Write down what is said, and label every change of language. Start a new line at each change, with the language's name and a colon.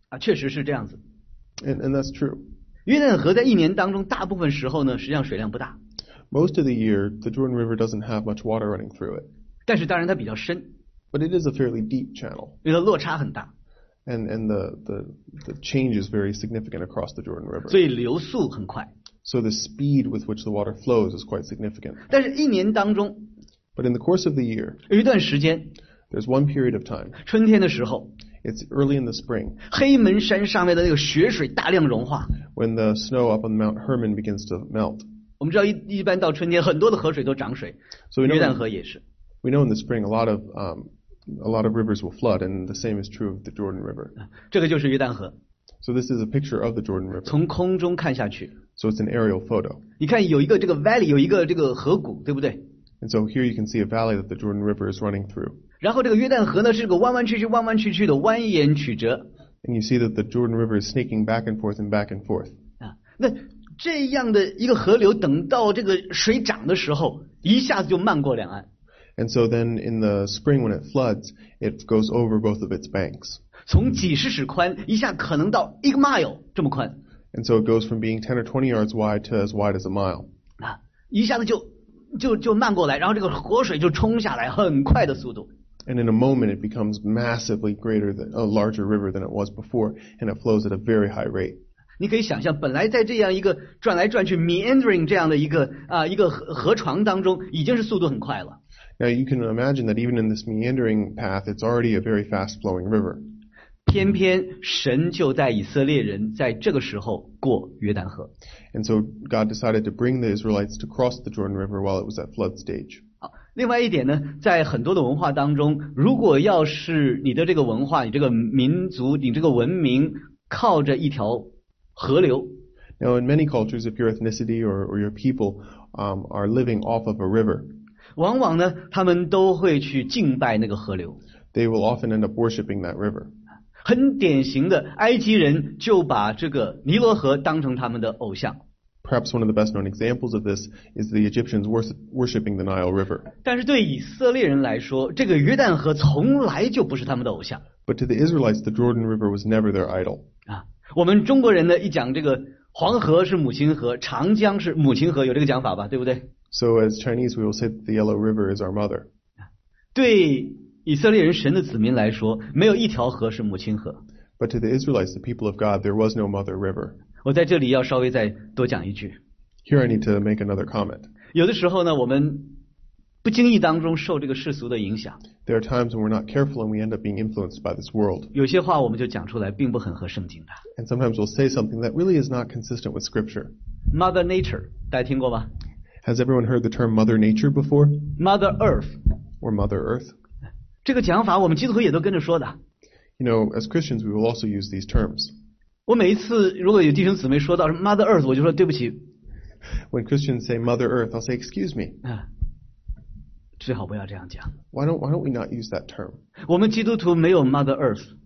Chinese: 确实是这样子。
English: And that's true.
Chinese: 约旦河在一年当中大部分时候呢，实际上水量不大。
English: Most of the year, the Jordan River doesn't have much water running through it.
Chinese: 但是当然它比较深。
English: But it is a fairly deep channel.
Chinese: 因为它落差很大。
English: And the change is very significant across the Jordan River.
Chinese: 所以流速很快。
English: So the speed with which the water flows is quite significant.
Chinese: 但是一年当中。
English: But in the course of the year.
Chinese: 有一段时间。
English: There's one period of time.
Chinese: 春天的时候。
English: It's early in the spring.
Chinese: 黑门山上面的那个雪水大量融化。
English: When the snow up on Mount Hermon begins to melt.
Chinese: 我们知道一般到春天很多的河水都涨水。
English: So we know.
Chinese: 约旦河也是。
English: We know in the spring a lot of rivers will flood, and the same is true of the Jordan River.
Chinese: 这个就是约旦河。
English: So this is a picture of the Jordan River.
Chinese: 从空中看下去。
English: So it's an aerial photo.
Chinese: 你看有一个这个 valley, 有一个这个河谷，对不对？
English: And so here you can see a valley that the Jordan River is running through.
Chinese: 然后这个约旦河呢是个弯弯曲曲、弯弯曲曲的蜿蜒曲折。
English: And you see that the Jordan River is snaking back and forth and back and forth.
Chinese: 那这样的一个河流，等到这个水涨的时候，一下子就漫过两岸。
English: And so then in the spring when it floods, it goes over both of its banks.
Chinese: 从几十尺宽一下可能到一个 mile 这么宽。
English: And so it goes from being 10 or 20 yards wide to as wide as a mile.
Chinese: 一下子就漫过来，然后这个河水就冲下来，很快的速度。
English: And in a moment it becomes massively greater than a larger river than it was before, and it flows at a very high rate.
Chinese: 你可以想象，本来在这样一个转来转去 meandering 这样的一个河床当中，已经是速度很快了。
English: Now you can imagine that even in this meandering path, it's already a very fast flowing river.
Chinese: 偏偏神就带以色列人在这个时候过约旦河。
English: And so God decided to bring the Israelites to cross the Jordan River while it was at flood stage.
Chinese: 好，另外一点呢，在很多的文化当中，如果要是你的这个文化、你这个民族、你这个文明靠着一条河流。
English: Now in many cultures, if your ethnicity or your people, are living off of a river,
Chinese: 往往呢他们都会去敬拜那个河流。
English: They will often end up worshiping that river.
Chinese: 很典型的埃及人就把这个尼罗河当成他们的偶像。
English: Perhaps one of the best known examples of this is the Egyptians worshiping the Nile River.
Chinese: 但是对以色列人来说，这个约旦河从来就不是他们的偶像。
English: But to the Israelites, the Jordan River was never their idol.
Chinese: 我们中国人呢一讲这个黄河是母亲河，长江是母亲河，有这个讲法吧，对不对？
English: So as Chinese, we will say that the Yellow River is our mother.
Chinese: 对以色列人神的子民来说，没有一条河是母亲河。
English: But to the Israelites, the people of God, there was no mother river.
Chinese: 我在这里要稍微再多讲一句。
English: Here I need to make another comment.
Chinese: 有的时候呢，我们不经意当中受这个世俗的影响。
English: There are times when we're not careful and we end up being influenced by this world.
Chinese: 有些话我们就讲出来，并不很合圣经的。
English: And sometimes we'll say something that really is not consistent with Scripture.
Chinese: Mother Nature, 大家听过吗？
English: Has everyone heard the term Mother Nature before? Mother Earth. Or Mother Earth.
Chinese: 这个讲法我们基督徒也都跟着说的。
English: You know, as Christians, we will also use these terms.
Chinese: 我每一次如果有弟兄姊妹说到 Mother Earth, 我就说对不起。
English: When Christians say Mother Earth, I'll say, excuse me.
Chinese: 最好不要这样讲。
English: Why don't we not use that term?
Chinese: 我们基督徒没有 Mother Earth.